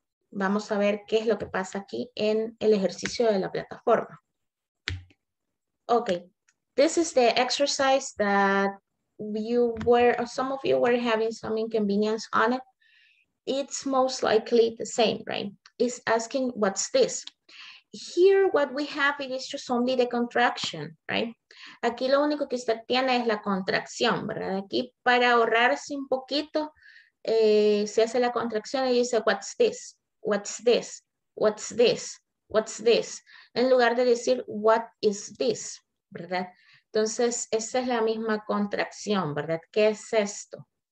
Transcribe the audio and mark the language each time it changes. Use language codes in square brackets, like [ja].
[es] Vamos a ver qué es lo que pasa aquí en el ejercicio de la plataforma. [en] Ok. This is the exercise that some of you were having some inconvenience on it. It's most likely the same, right? It's asking, what's this? Here, what we have is just only the contraction, right? [es] Aquí lo único que usted tiene es la contracción, ¿verdad? Aquí para ahorrarse un poquito, se hace la contracción y dice, [en] what's this? What's this? [es] What's this? What's this? En lugar de decir, [en] what is this? [es] ¿Verdad? Entonces, esa es la misma contracción, ¿verdad? ¿Qué es esto?